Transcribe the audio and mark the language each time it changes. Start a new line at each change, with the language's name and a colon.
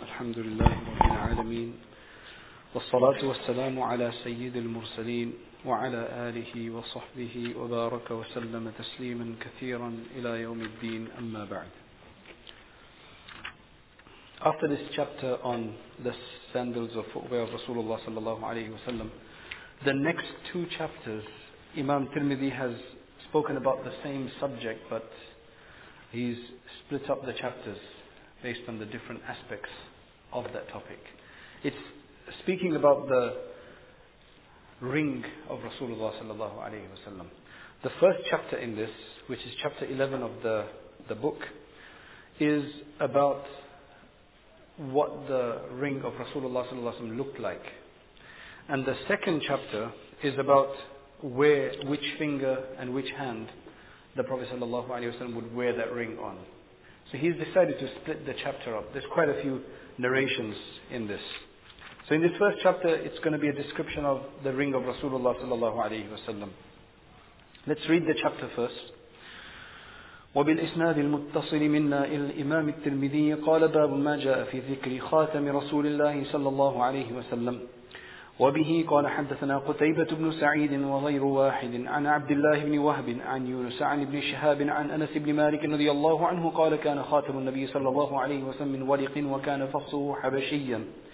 Arabic: الحمد لله رب العالمين، والصلاة والسلام على سيد المرسلين وعلى آله وصحبه وبارك وسلم تسليما كثيرا إلى يوم الدين. أما بعد،
English: after this chapter on the sandals of footwear of Rasulullah sallallahu alayhi wa sallam, the next two chapters, Imam Tirmidhi has spoken about the same subject, but he's split up the chapters based on the different aspects of that topic. It's speaking about the ring of Rasulullah sallallahu alayhi wa sallam. The first chapter in this, which is chapter 11 of the book, is about what the ring of Rasulullah sallallahu alayhi wa sallam looked like. And the second chapter is about where, which finger and which hand the Prophet sallallahu alayhi wa sallam would wear that ring on. So he's decided to split the chapter up. There's quite a few narrations in this. So in this first chapter, it's going to be a description of the ring of Rasulullah sallallahu alayhi wa sallam. Let's read the chapter first.
Arabic: وبالإسناد المتصل منا إلى الإمام الترمذي قال باب ما جاء في ذكر خاتم رسول الله صلى الله عليه وسلم وبه قال حدثنا قتيبة بن سعيد وغير واحد عن عبد الله بن وهب عن يونس عن ابن شهاب عن أنس بن مالك رضي الله عنه قال كان خاتم النبي صلى الله عليه وسلم من ورق وكان فخصه حبشيا